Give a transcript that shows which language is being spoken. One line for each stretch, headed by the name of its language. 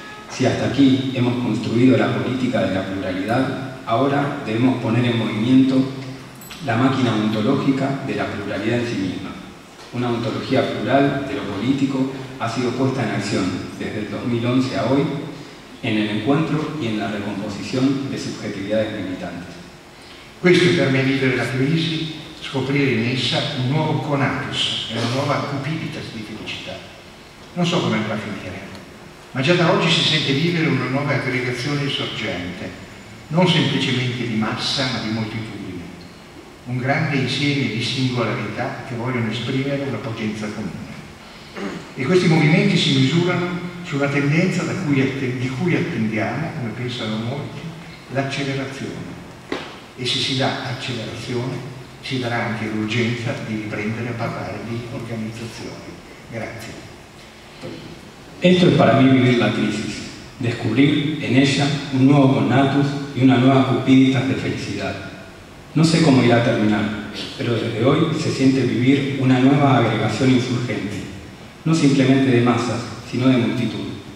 Spanish: Si hasta aquí hemos construido la política de la pluralidad, ahora debemos poner en movimiento la máquina ontológica de la pluralidad en sí misma. Una ontología plural de lo político ha sido puesta en acción desde el 2011 a hoy en el encuentro y en la recomposición de subjetividades militantes. Esto permite la crisis
Italian: scoprire in essa un nuovo conatus e una nuova cupiditas di felicità. Non so come andrà a finire, ma già da oggi si sente vivere una nuova aggregazione sorgente, non semplicemente di massa ma di moltitudine, un grande insieme di singolarità che vogliono esprimere una potenza comune. E questi movimenti si misurano sulla tendenza di cui attendiamo, come pensano molti, l'accelerazione. E se si dà accelerazione, si darà anche l'urgenza di riprendere a parlare di organizzazioni. Grazie.
Spanish: Esto es para mí vivir la crisis, descubrir en ella un nuevo connatus y una nueva cupiditas de felicidad. No sé cómo irá a terminar, pero desde hoy se siente vivir una nueva agregación insurgente, no simplemente de masas, sino de multitud.